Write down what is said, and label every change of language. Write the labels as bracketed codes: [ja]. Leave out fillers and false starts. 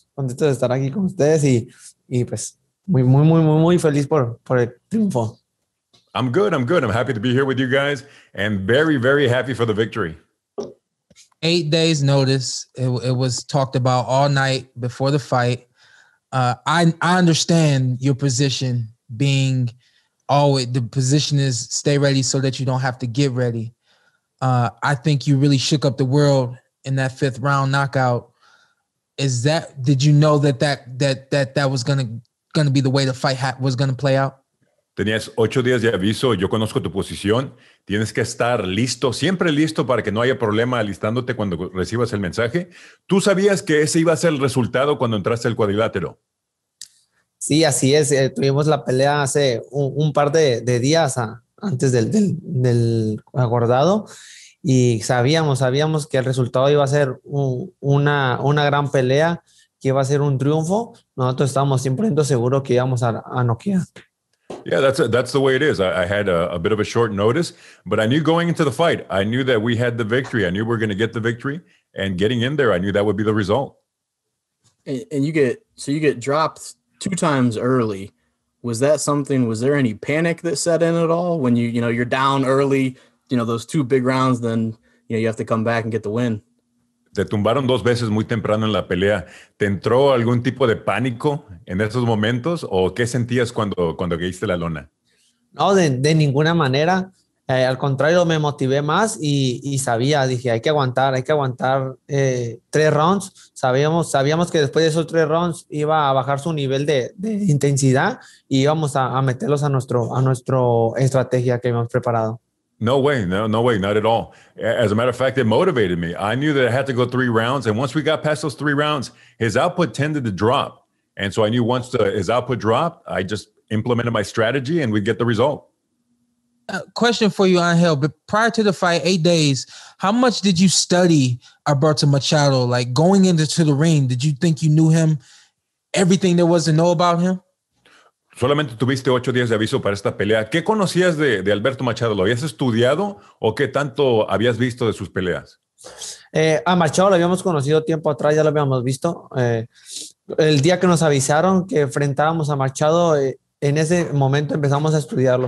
[es] Contento de estar aquí con ustedes y pues muy, muy, muy, muy, muy feliz por el triunfo. [en] I'm good. I'm good. I'm happy to be here with you guys and very, very happy for the victory. 8 days notice. It was talked about all night before the fight. I understand your position being always the position is stay ready so that you don't have to get ready. I think you really shook up the world in that fifth round knockout. Is that, did you know that was going to be the way the fight was going to play out? [es] Tenías 8 días de aviso. Yo conozco tu posición. Tienes que estar listo, siempre listo para que no haya problema alistándote cuando recibas el mensaje. ¿Tú sabías que ese iba a ser el resultado cuando entraste al cuadrilátero? Sí, así es. Tuvimos la pelea hace un par de días antes del acordado y sabíamos que el resultado iba a ser una gran pelea, que iba a ser un triunfo. Nosotros estábamos 100% seguros que íbamos a noquear. [en] Yeah, that's the way it is. I had a bit of a short notice, but I knew going into the fight, I knew that we had the victory. I knew we were going to get the victory, and getting in there, I knew that would be the result. And you get dropped 2 times early. Was that something? Was there any panic that set in at all when you know you're down early? You know those 2 big rounds, then you have to come back and get the win. [es] Te tumbaron 2 veces muy temprano en la pelea. ¿Te entró algún tipo de pánico en esos momentos o qué sentías cuando caíste la lona? No, de ninguna manera. Al contrario, me motivé más y sabía, dije, hay que aguantar 3 rounds. Sabíamos que después de esos 3 rounds iba a bajar su nivel de intensidad y íbamos a meterlos a nuestra estrategia que habíamos preparado. [en] No way, no way, not at all. As a matter of fact, it motivated me. I knew that I had to go 3 rounds. And once we got past those 3 rounds, his output tended to drop. And so I knew once his output dropped, I just implemented my strategy and we'd get the result. Question for you, Angel. But prior to the fight, 8 days, how much did you study Alberto Machado? Like going into the ring, did you think you knew him, everything there was to know about him? [es] Solamente tuviste 8 días de aviso para esta pelea. ¿Qué conocías de Alberto Machado? ¿Lo habías estudiado o qué tanto habías visto de sus peleas? A Machado lo habíamos conocido tiempo atrás, ya lo habíamos visto. El día que nos avisaron que enfrentábamos a Machado, en ese momento empezamos a estudiarlo.